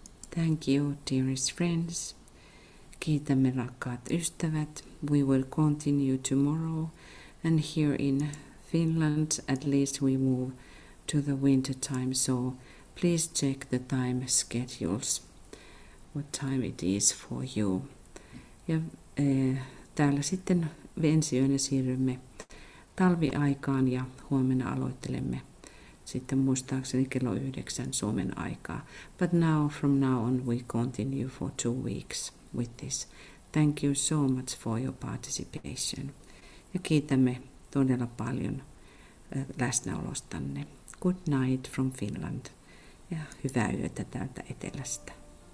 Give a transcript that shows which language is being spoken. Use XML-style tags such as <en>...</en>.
<en>Thank you, dearest friends.</en> <fi>Kiitämme rakkaat ystävät.</fi> <en>We will continue tomorrow And here in Finland, at least we move to the winter time, so please check the time schedules, what time it is for you.</en> <fi>Ja täällä sitten ensi yönä siirrymme talviaikaan ja huomenna aloittelemme sitten muistaakseni kello 9 Suomen aikaa.</fi> <en>But now, from now on, we continue for 2 weeks with this. Thank you so much for your participation.</en> <fi>Ja kiitämme todella paljon läsnäolostanne.</fi> <en>Good night from Finland</en> <fi>ja hyvää yötä täältä etelästä.</fi>